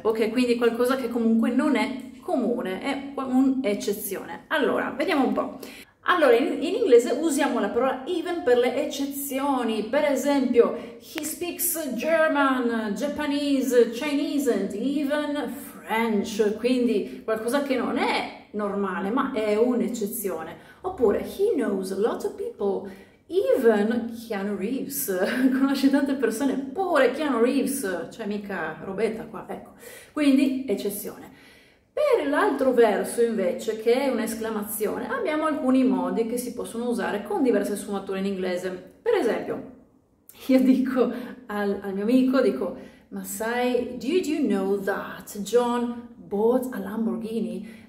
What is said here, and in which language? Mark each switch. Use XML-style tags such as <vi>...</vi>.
<it>Ok, quindi qualcosa che comunque non è comune, è un'eccezione. Allora, vediamo un po'. Allora, in inglese usiamo la parola even per le eccezioni. Per esempio,</it> <en>he speaks German, Japanese, Chinese and even French.</en> <it>Quindi qualcosa che non è normale, ma è un'eccezione. Oppure,</it> <en>he knows a lot of people, even Keanu Reeves.</en> <it>Conosce tante persone, pure Keanu Reeves, c'è cioè, mica robetta qua, ecco. Quindi, eccezione. Per l'altro verso, invece, che è un'esclamazione, abbiamo alcuni modi che si possono usare con diverse sfumature in inglese. Per esempio, io dico al mio amico, dico, ma sai,</it> <en>did you know that John bought a Lamborghini?</en>